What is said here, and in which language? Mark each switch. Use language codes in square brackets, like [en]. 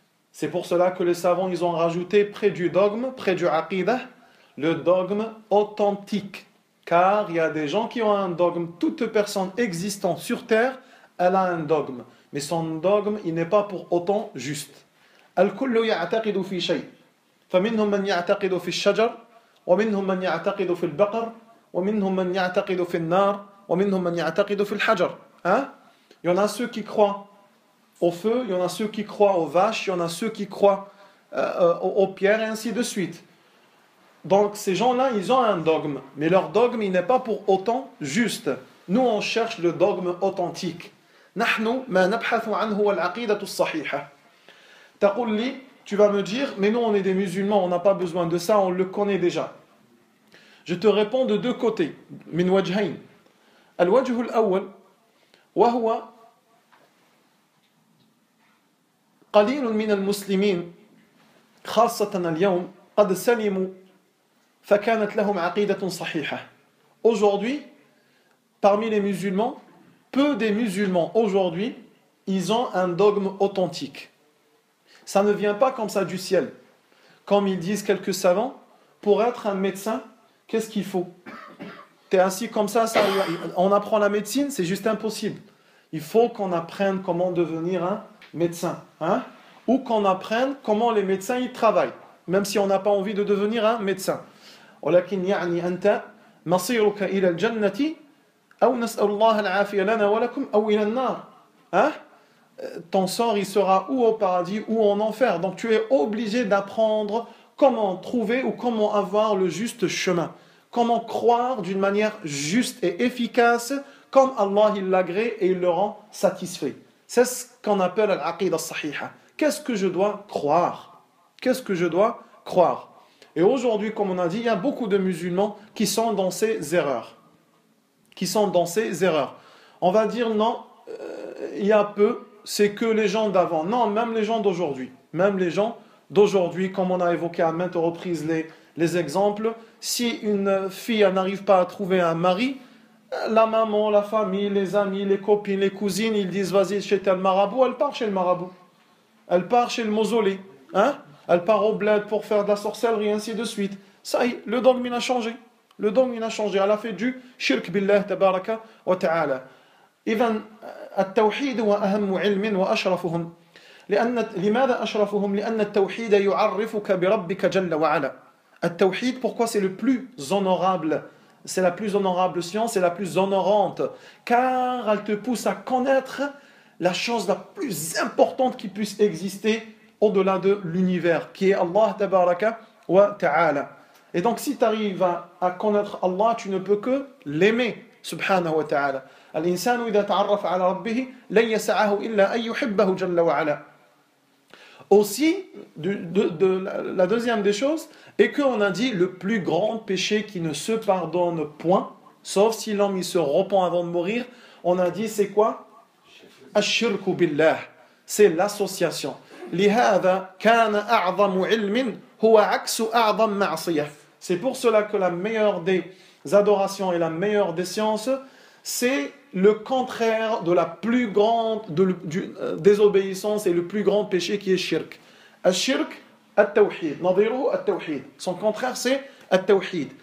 [fr] C'est pour cela que les savants, ils ont rajouté près du dogme, près du aqidah, le dogme authentique. Car il y a des gens qui ont un dogme. Toute personne existant sur terre, elle a un dogme. Mais son dogme, il n'est pas pour autant juste. [ar] الكل يعتقد في شيء. فمنهم من يعتقد في الشجر ومنهم من يعتقد في البقر ومنهم من يعتقد في النار ومنهم من يعتقد في الحجر. Hein? [fr] Il y en a ceux qui croient au feu, il y en a ceux qui croient aux vaches, il y en a ceux qui croient aux pierres et ainsi de suite. Donc ces gens-là, ils ont un dogme, mais leur dogme, il n'est pas pour autant juste. Nous, on cherche le dogme authentique. [ar] نحن ما نبحث عنه هو العقيدة الصحيحة. تقول لي, [fr] tu vas me dire, mais nous on est des musulmans, on n'a pas besoin de ça, on le connaît déjà. Je te réponds de deux côtés, [ar] من وجهين. الوجه الأول وهو قليل من المسلمين خاصة اليوم قد سلموا فكانت لهم عقيدة صحيحة. [fr] Aujourd'hui, parmi les musulmans, peu des musulmans aujourd'hui, ils ont un dogme authentique. Ça ne vient pas comme ça du ciel. Comme ils disent quelques savants, pour être un médecin, qu'est-ce qu'il faut? Tu es assis comme ça, ça, on apprend la médecine, c'est juste impossible. Il faut qu'on apprenne comment devenir un médecin. Hein? Ou qu'on apprenne comment les médecins y travaillent, même si on n'a pas envie de devenir un médecin. [ar] ولكن يعني أنت مصيرك إلى الجنة أو نسأل الله العافية لنا ولكم أو إلى النار. Hein? [fr] Ton sort, il sera ou au paradis ou en enfer. Donc tu es obligé d'apprendre comment trouver ou comment avoir le juste chemin. comment croire d'une manière juste et efficace comme Allah il l'agrée et il le rend satisfait. C'est ce qu'on appelle l'aqidah sahiha. Qu'est-ce que je dois croire? Qu'est-ce que je dois croire? Et aujourd'hui, comme on a dit, il y a beaucoup de musulmans qui sont dans ces erreurs. Qui sont dans ces erreurs. On va dire non, il y a peu, c'est que les gens d'avant. Non, même les gens d'aujourd'hui. Même les gens d'aujourd'hui, comme on a évoqué à maintes reprises les exemples. Si une fille n'arrive pas à trouver un mari, la maman, la famille, les amis, les copines, les cousines, ils disent vas-y chez tel marabout, elle part chez le marabout. Elle part chez le mausolée. Hein? Elle part au bled pour faire de la sorcellerie, ainsi de suite. Ça y est, le dogme il a changé. Le dogme il a changé. Elle a fait du shirk billah tabaraka wa ta'ala. [ar] Even التوحيد هو أهم علم وأشرفهم لأن لماذا أشرفهم لأن التوحيد يعرفك بربك جل وعلا. [fr] التوحيد pourquoi c'est le plus honorable, c'est la plus honorable science, c'est la plus honorante, car elle te pousse à connaître la chose la plus importante qui puisse exister au-delà de l'univers, qui est Allah tabaraka wa ta'ala. Et donc si tu arrives à connaître Allah, tu ne peux que l'aimer subhanahu wa ta'ala. [ar] الإنسان إذا تعرف على ربه لن يسعه إلا أن يحبه جل وعلا. [fr] Aussi, la deuxième des choses est qu'on a dit le plus grand péché qui ne se pardonne point, sauf si l'homme il se repent avant de mourir, on a dit c'est quoi? [ar] الشرك بالله. [fr] C'est l'association. [ar] لهذا كان أعظم علم هو عكس أعظم معصية. [fr] C'est pour cela que la meilleure des adorations et la meilleure des sciences, c'est le contraire de la plus grande désobéissance et le plus grand péché qui est shirk. [ar] Al-shirk, al-tawhid. Nadiru, al-tawhid. [fr] Son contraire, c'est [ar] al-tawhid.